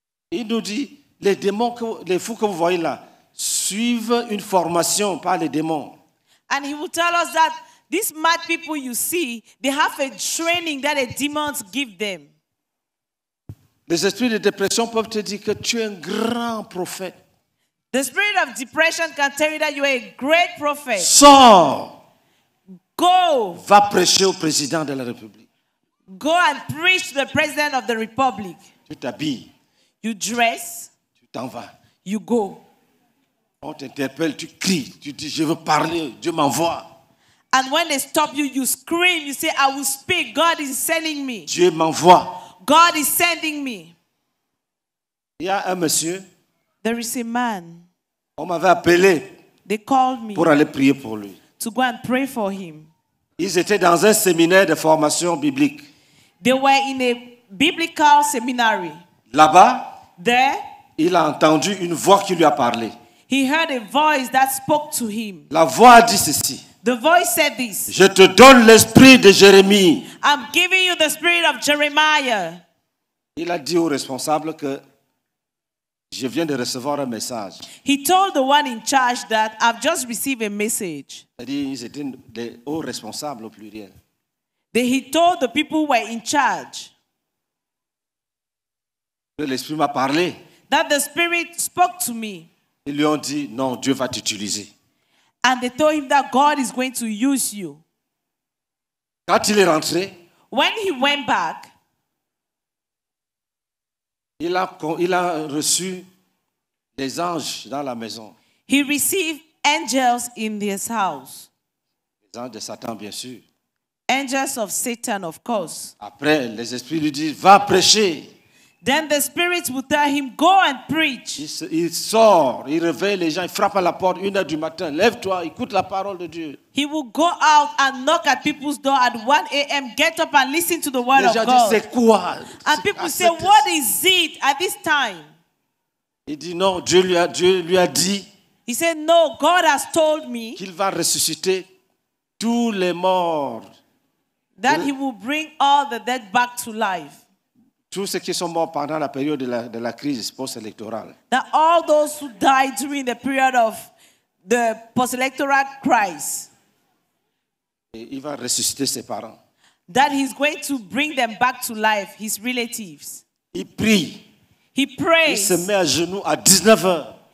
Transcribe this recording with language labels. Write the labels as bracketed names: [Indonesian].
[French] Il nous dit, les démons, les fous que vous voyez là, suivent une formation par les démons. [English] And he would tell us that these mad people you see, they have a training that the demons give them. [French] Les esprits de dépression peuvent te dire que tu es un grand prophète. [English] The spirit of depression can tell you that you are a great prophet. [French] Sors. [English] Go. [French] Va prêcher au président de la République. [English] Go and preach to the president of the republic. [French] Tu t'habilles. [English] You dress. [French] Tu t'en vas. [English] You go. [French] On t'interpelle, tu cries. Tu dis, je veux parler, Dieu m'envoie. [English] And when they stop you, you scream. You say, I will speak, God is sending me. [French] Dieu m'envoie. [English] God is sending me. [French] Il y a un monsieur. [English] There is a man. [French] On m'avait appelé. [English] They called me [French] pour aller prier pour lui. [English] To go and pray for him. [French] Ils étaient dans un séminaire de formation biblique. [English] They were in a biblical seminary. [French] Là-bas, [English] there, [French] il a entendu une voix qui lui a parlé. [English] He heard a voice that spoke to him. [French] La voix a dit ceci. [English] The voice said this. [French] Je te donne l'esprit de Jérémie. [English] I'm giving you the spirit of Jeremiah. [French] Il a dit au responsable que je viens de recevoir un message. [English] He told the one in charge that I've just received a message. [French] Ils étaient des hauts responsables au pluriel. [English] Then he told the people who were in charge. [French] L'esprit m'a parlé. [English] That the spirit spoke to me. [French] Ils lui ont dit, non, Dieu va t'utiliser. [English] And they told him that God is going to use you. [French] Quand il est rentré, [English] when he went back, [French] Il a reçu des anges dans la maison. [English] He received angels in this house. [French] Les anges de Satan, bien sûr. [English] Angels of Satan, of course. [French] Après, les esprits lui disent, va prêcher. [English] Then the spirit will tell him, go and preach. [French] Il sort, il réveille les gens, il frappe à la porte 1h du matin. Lève-toi, écoute la parole de Dieu. [English] He will go out and knock at people's door at 1 a.m. Get up and listen to the word of God. [French] Les gens disent, c'est quoi? [English] And people say, what is it at this time? [French] Il dit, non, Dieu lui a dit. [English] He said, no, God has told me. [French] Qu'il va ressusciter tous les morts. [English] That he will bring all the dead back to life. [French] Tous ceux qui sont morts pendant la période de la crise post-électorale. [English] That all those who died during the period of the post-electoral crisis. [French] Et il va ressusciter ses parents. [English] That he's going to bring them back to life, his relatives. [French] Il prie. [English] He prays. [French] Il se met à genoux à 19h.